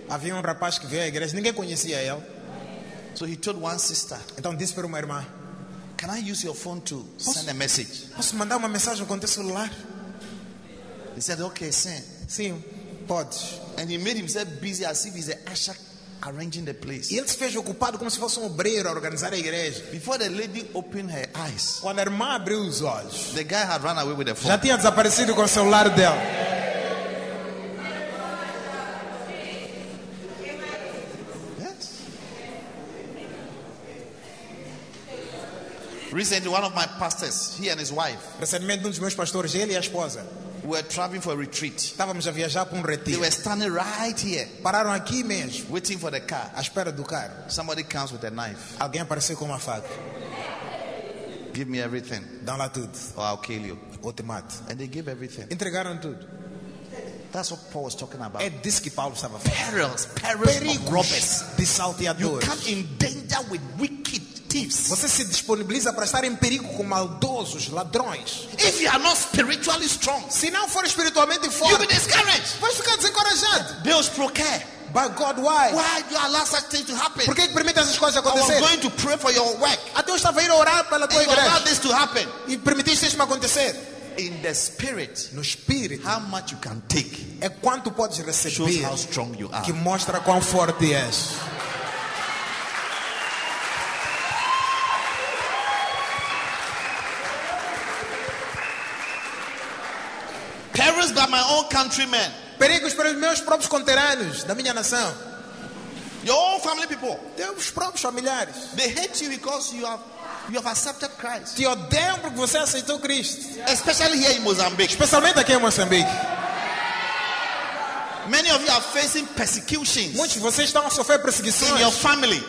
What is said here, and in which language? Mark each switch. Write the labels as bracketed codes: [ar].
[pt] Havia rapaz que veio à igreja, ninguém conhecia ele. [en] So he told one sister. [pt] Então disse para uma irmã, [en] "Can I use your phone to send a message?" [pt] Posso mandar uma mensagem com teu celular? [en] He said, "Okay, send." [pt] Sim, pode. [en] And he made himself busy as if he's an usher arranging the place. [pt] E ele se fez ocupado como se fosse obreiro a organizar a igreja. [en] Before the lady opened her eyes, [pt] quando a irmã abriu os olhos, [en] the guy had run away with the phone. [pt] Já tinha desaparecido com o celular dela. [en] Yes. Recently, one of my pastors, he and his wife. [pt] Recentemente, um dos meus pastores, ele e a esposa. [en] We were traveling for a retreat. [pt] Estávamos a viajar para retiro. [en] They were standing right here. [pt] Pararam aqui mesmo. [en] Waiting for the car. [pt] À espera do carro. [en] Somebody comes with a knife. [pt] Alguém apareceu com uma faca. [en] Give me everything. [pt] Dão lá tudo. [en] Or I'll kill you. [pt] Ou te mato. [en] And they gave everything. [pt] Entregaram tudo. [en] That's what Paul was talking about. [pt] É disso que Paulo estava falando. [en] Perils of robbers. [pt] De salteadores. [en] You come in danger with wicked. [pt] Você se disponibiliza para estar em perigo com maldosos, ladrões. [en] If you are not spiritually strong, [pt] se não for espiritualmente forte, [en] you'll be discouraged. [pt] Vais ficar desencorajado. Deus por quê? [en] But God, why? Why do you allow such things to happen? [pt] Por que permite essas coisas acontecer? [en] I was going to pray for your work. [pt] Até eu estava a ir orar pela tua igreja. [en] And allow this to happen. [pt] E permitiste isso me acontecer. [en] In the spirit, [pt] no espírito, [en] how much you can take? [pt] É quanto podes receber. [en] Shows how strong you are. [pt] Que mostra quão forte és. [en] Perils by my own countrymen. [pt] Perigos para os meus próprios conterrâneos da minha nação. [en] Your own family people. [pt] Teus próprios familiares. [en] They hate you because you have accepted Christ. [pt] Te odeiam porque você aceitou Cristo. [en] Yeah. Especially here in Mozambique. [pt] Especialmente aqui em Moçambique. [en] Many of you are facing persecutions. [pt] Muitos de vocês estão a sofrer perseguições. [en] In your family.